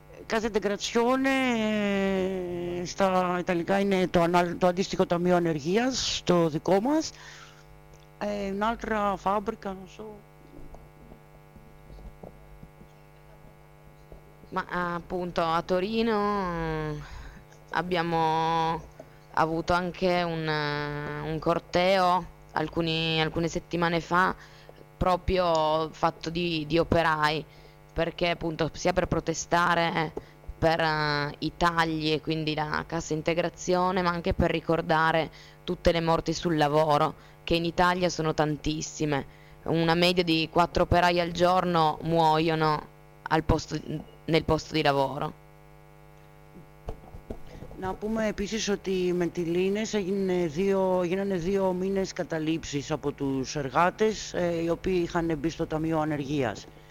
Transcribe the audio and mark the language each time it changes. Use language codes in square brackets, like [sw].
[el] Casa Integrazione στα Ιταλικά είναι το αντίστοιχο ταμείο ανεργίας, το δικό μας. [it] Un'altra fabbrica, non so. Ma appunto a Torino abbiamo avuto anche un corteo alcune settimane fa, proprio fatto di operai, perché appunto sia per protestare per i tagli e quindi la cassa integrazione, ma anche per ricordare tutte le morti sul lavoro, che in Italia sono tantissime. Una media di 4 operai al giorno muoiono nel posto di lavoro. [el] Να πούμε επίσης ότι με τη Λίνες γίνανε 2 μήνες καταλήψεις από τους εργάτες οι οποίοι είχαν μπει στο Ταμείο Ανεργίας.